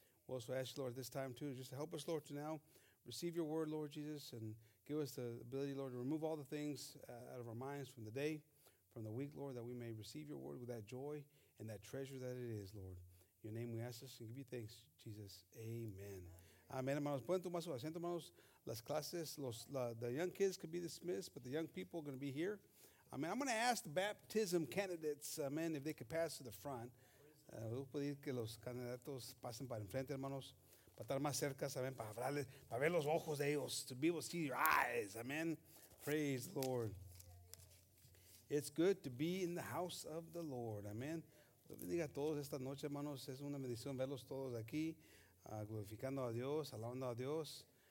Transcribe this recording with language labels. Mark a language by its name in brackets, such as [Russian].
[English] We also ask you, Lord, at this time, too, just to help us, Lord, to now receive your word, Lord Jesus, and give us the ability, Lord, to remove all the things out of our minds from the day, from the week, Lord, that we may receive your word with that joy and that treasure that it is, Lord. In your name we ask us and give you thanks, Jesus. Amen. Amen, hermanos. [Spanish] Pueden tomar sus asientos, hermanos. Las clases, [English] the young kids could be dismissed, but the young people are going to be here. Amen. I'm going to ask the baptism candidates, amen, if they could pass to the front. [Spanish] Voy a pedir que los candidatos pasen para enfrente, hermanos. Para estar más cerca, amen, para hablarles, para ver los ojos de ellos, [English] to be able to see your eyes, [Spanish] amen. Praise the Lord. [English] It's good to be in the house of the Lord, amen. [Spanish] Dios bendiga a todos esta noche, hermanos. Es una bendición verlos todos aquí, glorificando a Dios, alabando a Dios.